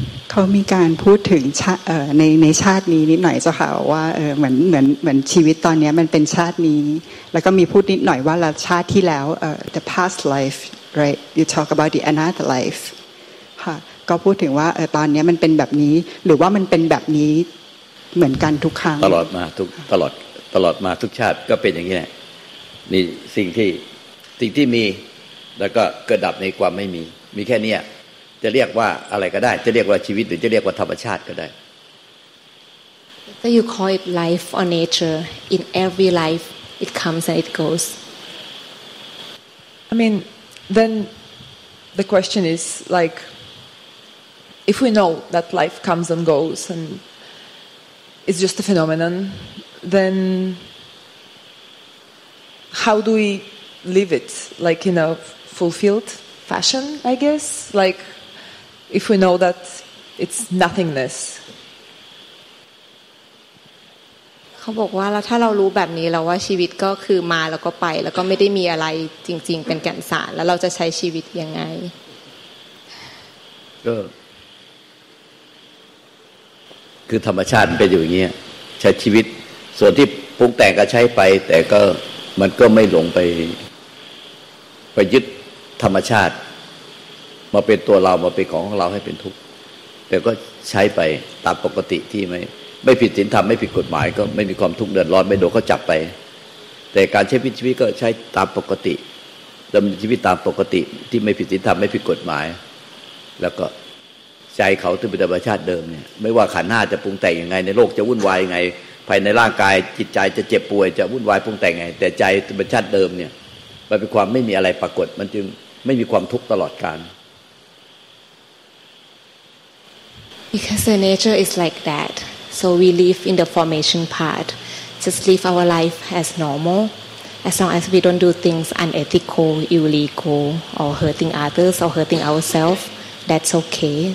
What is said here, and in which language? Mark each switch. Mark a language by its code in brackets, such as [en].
[th] เขามีการพูดถึงในชาตินี้นิดหน่อยเจ้าค่ะว่าเหมือนชีวิตตอนนี้มันเป็นชาตินี้แล้วก็มีพูดนิดหน่อยว่าละชาติที่แล้ว [en] the past life right you talk about the another life [th] ค่ะก็พูดถึงว่าตอนนี้มันเป็นแบบนี้หรือว่ามันเป็นแบบนี้เหมือนกันทุกครั้ง ตลอดมาทุกตลอดมาทุกชาติก็เป็นอย่างนี้แหละนี่สิ่งที่มีแล้วก็เกิดดับในความไม่มีมีแค่นี้จะเรียกว่าอะไรก็ได้จะเรียกว่าชีวิตหรือจะเรียกว่าธรรมชาติก็ได้ [en] So you call it life or nature in every life it comes and it goes I mean then the question is like if we know that life comes and goes and it's just a phenomenon then how do we live it like in a fulfilled fashion I guess likeif we know that it's nothingness [th] เขาบอกว่าแล้วถ้าเรารู้แบบนี้แล้วว่าชีวิตก็คือมาแล้วก็ไปแล้วก็ไม่ได้มีอะไรจริงๆเป็นแก่นสารแล้วเราจะใช้ชีวิตยังไง ก็คือธรรมชาติเป็นอยู่อย่างเงี้ยใช้ชีวิตส่วนที่ปรุงแต่งก็ใช้ไปแต่ก็มันก็ไม่หลงไปยึดธรรมชาติมาเป็นตัวเรามาเป็นของเราให้เป็นทุกข์แต่ก็ใช้ไปตามปกติที่ไม่ผิดศีลธรรมไม่ผิดกฎหมายก็ไม่มีความทุกข์เดือดร้อนไม่โดนเขาจับไป แต่การใช้ชีวิตก็ใช้ตามปกติดำเนินชีวิตตามปกติที่ไม่ผิดศีลธรรมไม่ผิดกฎหมายแล้วก็ใช้เขาที่เป็นธรรมชาติเดิมเนี่ยไม่ว่าขันธ์5จะปรุงแต่งยังไงในโลกจะวุ่นวายยังไงภายในร่างกายจิตใจจะเจ็บป่วยจะวุ่นวายปรุงแต่งยังไงแต่ใจธรรมชาติเดิมเนี่ยมันเป็นความไม่มีอะไรปรากฏมันจึงไม่มีความทุกข์ตลอดกาล [en] Because the nature is like that, so we live in the formation part. Just live our life as normal, as long as we don't do things unethical, illegal, or hurting others or hurting ourselves. That's okay.